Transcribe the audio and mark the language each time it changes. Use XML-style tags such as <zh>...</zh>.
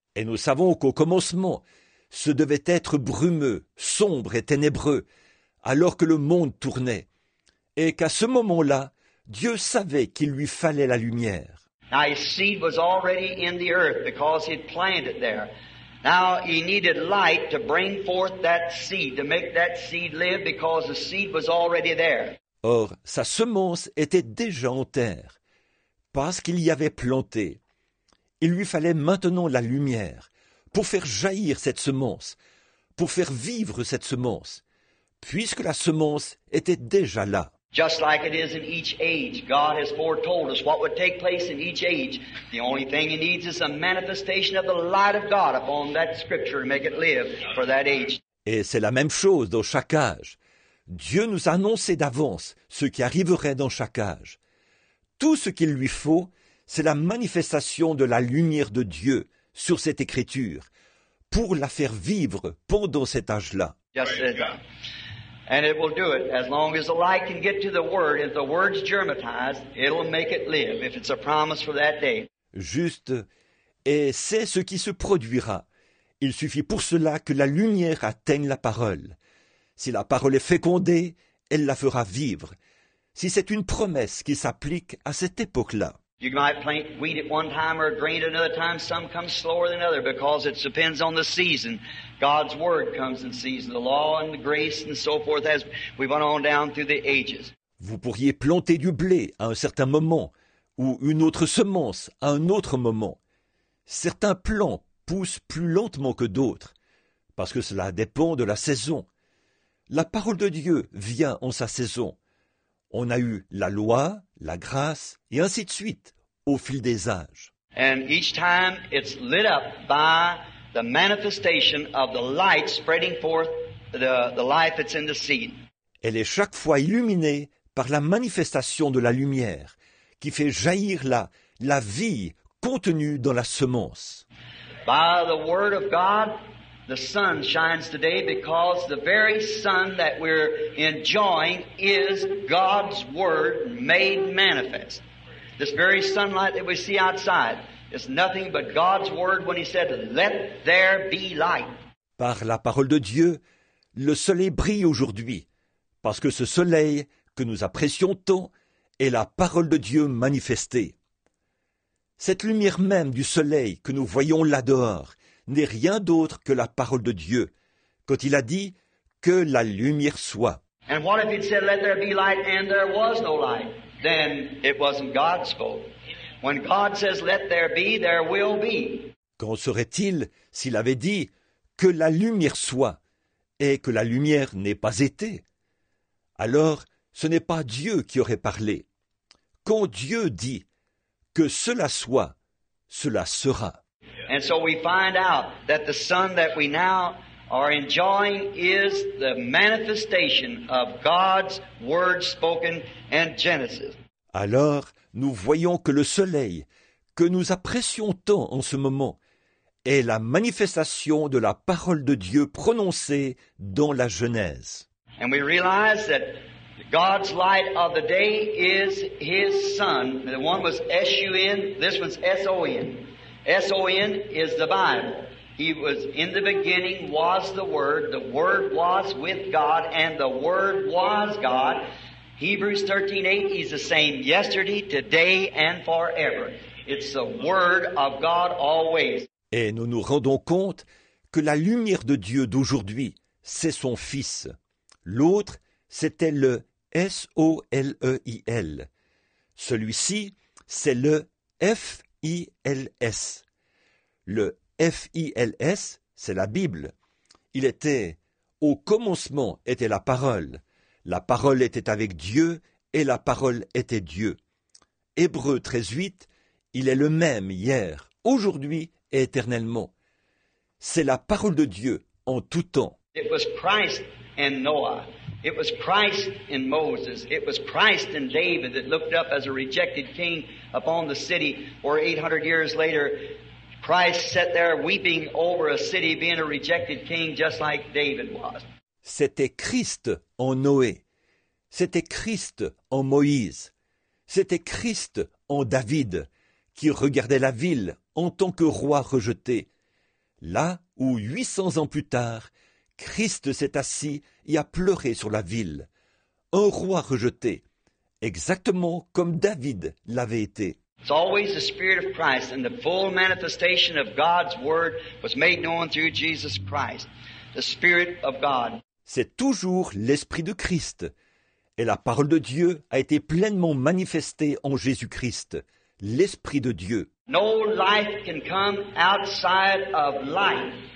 <fr>Et nous savons qu'au commencement, ce devait être brumeux, sombre et ténébreux, alors que le monde tournait. Et qu'à ce moment-là, Dieu savait qu'il lui fallait la lumière.</fr> <en>Now his seed was already in the earth because he'd planted it there. Now he needed light to bring forth that seed, to make that seed live because the seed was already there.</en> <fr>Or, sa semence était déjà en terre, parce qu'il y avait planté. Il lui fallait maintenant la lumière pour faire jaillir cette semence, pour faire vivre cette semence, puisque la semence était déjà là.</fr> <en>Just like it is in each age, God has foretold us what would take place in each age. The only thing he needs is a manifestation of the light of God upon that scripture to make it live for that age.</en> <fr>Et c'est la même chose dans chaque âge. Dieu nous a annoncé d'avance ce qui arriverait dans chaque âge. Tout ce qu'il lui faut, c'est la manifestation de la lumière de Dieu sur cette écriture pour la faire vivre pendant cet âge-là.</fr> <en>And it will do it as long as the light can get to the word. If the word's germatized, it'll make it live if it's a promise for that day.</en> <fr>Juste, et c'est ce qui se produira. Il suffit pour cela que la lumière atteigne la parole. Si la parole est fécondée, elle la fera vivre. Si c'est une promesse qui s'applique à cette époque-là.</fr> <en>You might plant wheat at one time or grain at another time. Some come slower than other because it depends on the season. God's word comes in season. The law and the grace and so forth as we went on down through the ages.</en> <fr>Vous pourriez planter du blé à un certain moment ou une autre semence à un autre moment. Certains plants poussent plus lentement que d'autres parce que cela dépend de la saison. La parole de Dieu vient en sa saison. On a eu la loi, la grâce, et ainsi de suite, au fil des âges.</fr> <en>And each time it's lit up by the manifestation of the light spreading forth the life that's in the seed.</en> <fr>Elle est chaque fois illuminée par la manifestation de la lumière qui fait jaillir la vie contenue dans la semence.</fr> <en>By the word of God, the sun shines today because the very sun that we're enjoying is God's word made manifest. This very sunlight that we see outside is nothing but God's word when he said, "Let there be light."</en> <fr>Par la parole de Dieu, le soleil brille aujourd'hui parce que ce soleil que nous apprécions tant est la parole de Dieu manifestée. Cette lumière même du soleil que nous voyons là dehors n'est rien d'autre que la parole de Dieu, quand il a dit « que la lumière soit ».</fr> <en>And what if he said, let there be light, and there was no light? Then it wasn't God's fault. When God says, let there be, there will be.</en> <fr>Qu'en serait-il s'il avait dit « que la lumière soit » et que la lumière n'ait pas été? Alors, ce n'est pas Dieu qui aurait parlé. Quand Dieu dit « que cela soit, cela sera ».</fr> <en>And so we find out that the sun that we now are enjoying is the manifestation of God's word spoken in Genesis.</en> <fr>Alors, nous voyons que le soleil que nous apprécions tant en ce moment est la manifestation de la parole de Dieu prononcée dans la Genèse.</fr> <en>And we realize that God's light of the day is his sun. The one was S-U-N, this one's S-O-N. S-O-N is the Bible. He was in the beginning, was the Word was with God, and the Word was God. Hebrews 13:8, he's the same yesterday, today, and forever. It's the Word of God always.</en> <fr>Et nous nous rendons compte que la lumière de Dieu d'aujourd'hui, c'est son Fils. L'autre, c'était le S-O-L-E-I-L. Celui-ci, c'est le F-I-L-S. Le F-I-L-S, c'est la Bible. Il était, au commencement était la parole. La parole était avec Dieu et la parole était Dieu. Hébreux 13:8, il est le même hier, aujourd'hui et éternellement. C'est la parole de Dieu en tout temps.</fr> <en>It was Christ and Noah. It was Christ in Moses. It was Christ in David that looked up as a rejected king upon the city, or 800 years later, Christ sat there weeping over a city being a rejected king just like David was.</en> <fr>C'était Christ en Noé. C'était Christ en Moïse. C'était Christ en David qui regardait la ville en tant que roi rejeté. Là où 800 ans plus tard, Christ s'est assis et a pleuré sur la ville. Un roi rejeté exactement comme David l'avait été.</fr> <en>It's always the Spirit of Christ, and the full manifestation of God's Word was made known through Jesus Christ, the Spirit of God.</en> <fr>C'est toujours l'Esprit de Christ, et la parole de Dieu a été pleinement manifestée en Jésus-Christ, l'Esprit de Dieu.</fr> <en>No life can come outside of life.</en>